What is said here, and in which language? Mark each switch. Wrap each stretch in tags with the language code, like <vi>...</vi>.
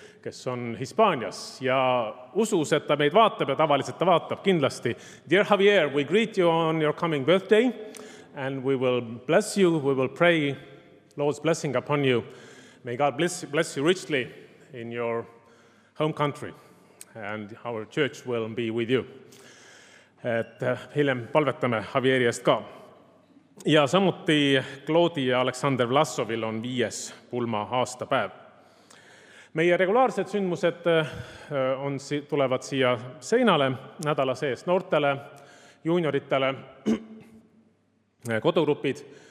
<et>kes on Hispaanias ja usus, et ta meid vaatab ja tavaliselt ta vaatab kindlasti.</et> <en>Dear Javier, we greet you on your coming birthday and we will bless you, we will pray Lord's blessing upon you. May God bless you richly in your home country and our church will be with you.</en> <et>Et hiljem palvetame Javieri eest ka. Ja samuti Kloodi ja Aleksander Vlasovil on viies pulma aastapäev. Meie regulaarsed sündmused tulevad siia seinale nädala sees noortele, juunioritele, kodugrupid.</et>